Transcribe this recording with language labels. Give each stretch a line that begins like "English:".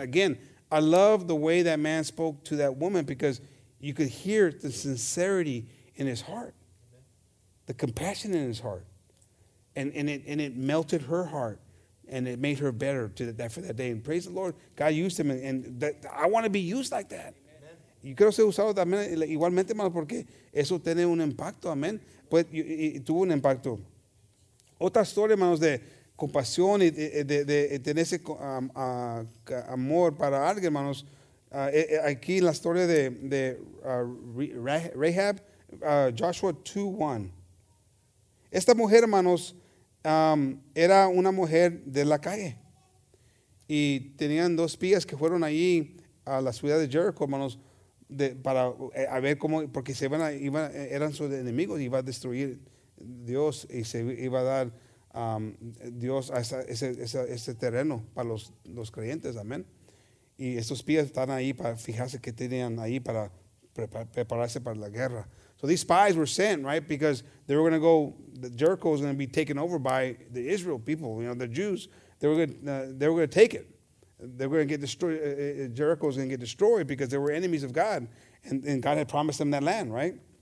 English: Again, I love the way that man spoke to that woman because you could hear the sincerity in his heart, the compassion in his heart. And it melted her heart and it made her better for that day. And praise the Lord. God used him. And I want to be used like that.
Spanish: Yo quiero ser usado también igualmente, hermano, porque eso tiene un impacto, amén. Pues tuvo un impacto. Otra historia, hermanos, de compasión y de tener ese amor para alguien, hermanos. Aquí la historia de Rahab, Joshua 2:1. Esta mujer, hermanos, era una mujer de la calle. Y tenían dos espías que fueron ahí a la ciudad de Jericho, hermanos. Para ver cómo, porque eran sus enemigos, iba a destruir Dios y se iba a dar Dios a ese terreno para los creyentes, amén. Y estos espías están ahí para fijarse qué tenían ahí para prepararse para la guerra.
English: So these spies were sent, right, because they were going to go, Jericho was going to be taken over by the Israel people, you know, the Jews. They were going to take it. They're going to get destroyed. Jericho is going to get destroyed because they were enemies of God. And God had promised them that land, right?